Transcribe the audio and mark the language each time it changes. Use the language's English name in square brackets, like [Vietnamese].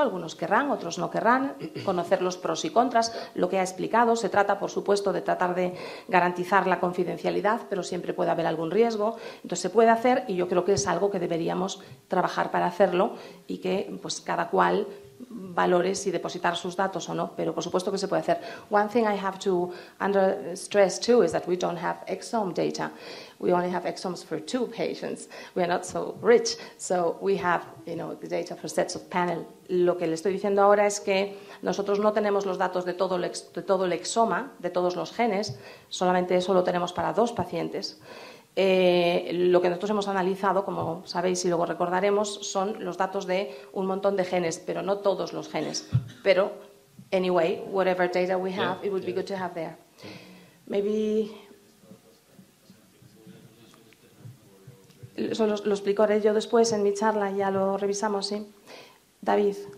[Spanish] Algunos querrán, otros no querrán, conocer los pros y contras, lo que ha explicado. Se trata, por supuesto, de tratar de garantizar la confidencialidad, pero siempre puede haber algún riesgo. Entonces, se puede hacer y yo creo que es algo que deberíamos trabajar para hacerlo y que pues cada cual valore si depositar sus datos o no, pero por supuesto que se puede hacer. [English] One thing I have to under stress too is that we don't have exome data. We only have exomes for 2 patients. We are not so rich, so we have, you know, the data for sets of panel. [Spanish] Lo que le estoy diciendo ahora es que nosotros no tenemos los datos de todo el exoma, de todos los genes, solamente eso lo tenemos para 2 pacientes. Lo que nosotros hemos analizado, como sabéis y luego recordaremos, son los datos de un montón de genes, pero no todos los genes. [English] Pero, anyway, whatever data we have, yeah, it would be good to have there. Maybe. [Spanish] Eso lo explicaré yo después en mi charla, ya lo revisamos, ¿sí? David.